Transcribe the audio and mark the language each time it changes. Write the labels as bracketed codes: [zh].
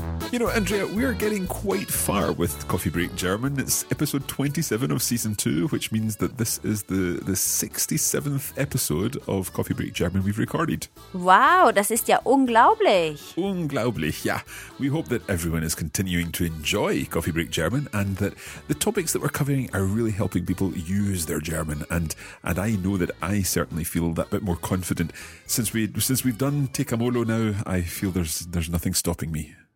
[en] You know, Andrea, we are getting quite far with Coffee Break German. It's episode 27 of season 2, which means that this is the 67th episode of Coffee Break German we've recorded. [de] Wow, das ist ja unglaublich. Unglaublich, yeah. [en] We hope that everyone is continuing to enjoy Coffee Break German and that the topics that we're covering are really helping people use their German. And I know that I certainly feel that bit more confident. Since we've done Te Camolo now, I feel there's nothing stopping me.